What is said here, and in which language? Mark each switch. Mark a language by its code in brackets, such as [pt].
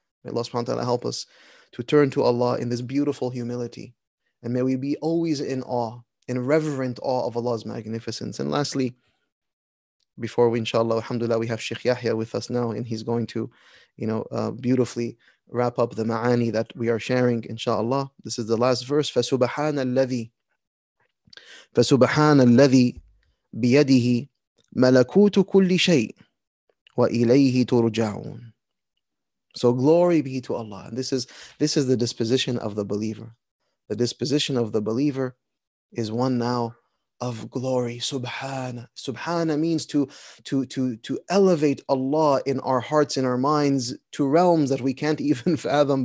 [en] May Allah subhanahu wa ta'ala help us to turn to Allah in this beautiful humility. And may we be always in awe, in reverent awe of Allah's magnificence. And lastly, before we, inshallah, alhamdulillah, we have Shaykh Yahya with us now, and he's going to, you know, beautifully wrap up the ma'ani that we are sharing, inshallah. This is the last verse. [ar] Fasubahana alladhi biyadihi ملكوت كل شيء وإليه ترجعون. [en] So glory be to Allah. And this is the disposition of the believer. The disposition of the believer is one now of glory. Subhana. Subhana means to elevate Allah in our hearts, in our minds, to realms that we can't even fathom.